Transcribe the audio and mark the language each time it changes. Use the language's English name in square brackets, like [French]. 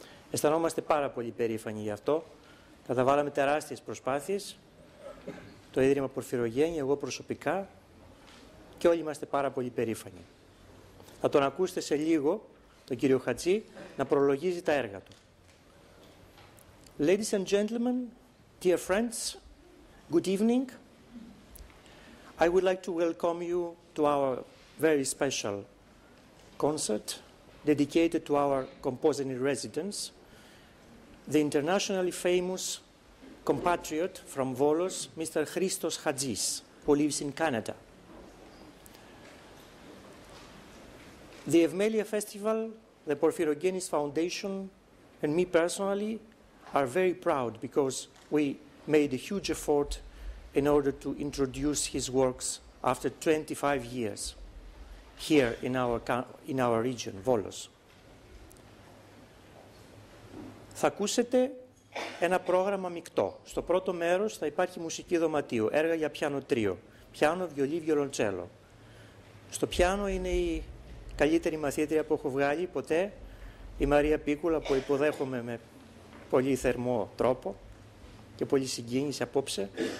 [Greek] Αισθανόμαστε πάρα πολύ περήφανοι γι' αυτό. Καταβάλαμε τεράστιες προσπάθειες, το Ίδρυμα Πορφυρογένεια, εγώ προσωπικά, και όλοι είμαστε πάρα πολύ περήφανοι. Θα τον ακούσετε σε λίγο, τον κύριο Χατζή, να προλογίζει τα έργα του. [English] Ladies and gentlemen, dear friends, good evening. I would like to welcome you to our very special concert dedicated to our composer in residence, the internationally famous compatriot from Volos, Mr. Christos Hadjis, who lives in Canada. The Ευμέλεια Festival, the Porphyrogenis Foundation, and me personally are very proud because we made a huge effort in order to introduce his works after 25 years here in our region, Volos. [Greek] Θα ακούσετε ένα πρόγραμμα μεικτό. Στο πρώτο μέρος θα υπάρχει μουσική δωματίου, έργα για πιάνο τρίο, πιάνο, βιολί, βιολοντσέλο. Στο πιάνο είναι η καλύτερη μαθήτρια που έχω βγάλει ποτέ, η Μαρία Πίκουλα, που υποδέχομαι με πολύ θερμό τρόπο και πολύ συγκίνηση απόψε.